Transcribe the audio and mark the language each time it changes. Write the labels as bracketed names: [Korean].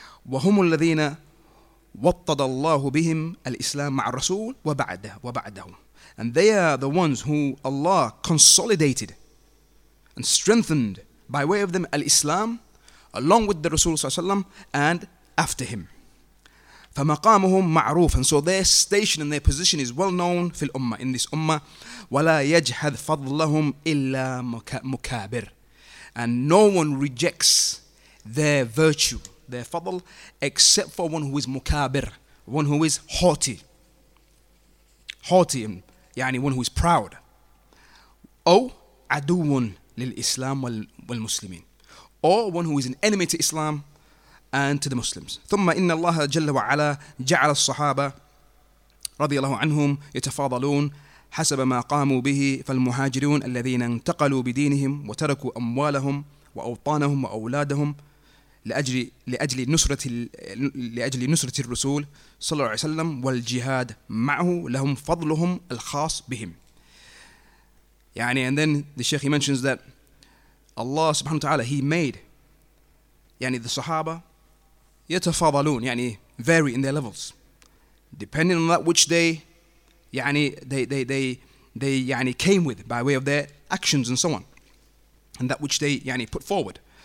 [Arabic] وهم الذين وطد الله بهم الإسلام مع الرسول وبعدهم. [English] And they are the ones who Allah consolidated and strengthened by way of them al-Islam along with the Rasul [Arabic] صلى الله عليه وسلم [English] and after him. [Arabic] فَمَقَامُهُمْ مَعْرُوفٌ. [English] And so their station and their position is well known [Arabic] في الأمة, [English] in this ummah. [Arabic] وَلَا يَجْحَذْ فَضْلَهُمْ إِلَّا مُكَابِرٌ. [English] And no one rejects their virtue, their fadl, except for one who is mukabir, one who is haughty. Haughty, يعني one who is proud. [Arabic] أو عَدُوٌ لِلْإِسْلَامِ وَالْمُسْلِمِينَ. [English] Or one who is an enemy to Islam and to the Muslims. [Arabic] ثم إن الله جل وعلا جعل الصحابة رضي الله عنهم يتفاضلون حسب ما قاموا به فالمهاجرون الذين انتقلوا بدينهم وتركوا أموالهم وأوطانهم وأولادهم لأجل نصرة الرسول صلى الله عليه وسلم والجهاد معه لهم فضلهم الخاص بهم. [English] يعني, and then the Sheikh, he mentions that Allah subhanahu wa ta'ala, he made يعني the Sahaba يتفاضلون, يعني vary in their levels, depending on that which they, يعني they يعني came with by way of their actions and so on, and that which they يعني put forward.